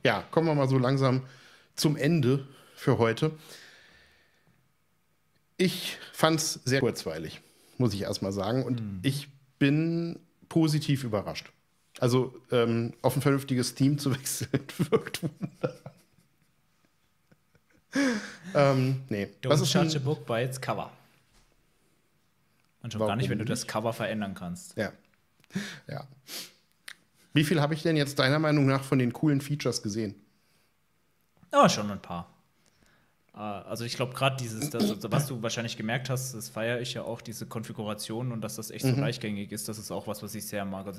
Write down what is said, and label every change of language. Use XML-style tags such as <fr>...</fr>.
<de>Kommen wir mal so langsam zum Ende für heute. Ich fand's sehr kurzweilig, muss ich erstmal sagen. Und ich bin positiv überrascht. Also auf ein vernünftiges Team zu wechseln, wirkt wunderbar.</de> <en>Don't judge a book by its cover.</en> <de>Und schon gar nicht, wenn du das Cover verändern kannst. Ja. Ja. Wie viel habe ich denn jetzt deiner Meinung nach von den coolen Features gesehen? Ja, schon ein paar. Also ich glaube gerade dieses, was du wahrscheinlich gemerkt hast, das feiere ich ja auch, diese Konfiguration und dass das echt so leichtgängig ist, das ist auch was ich sehr mag.</de>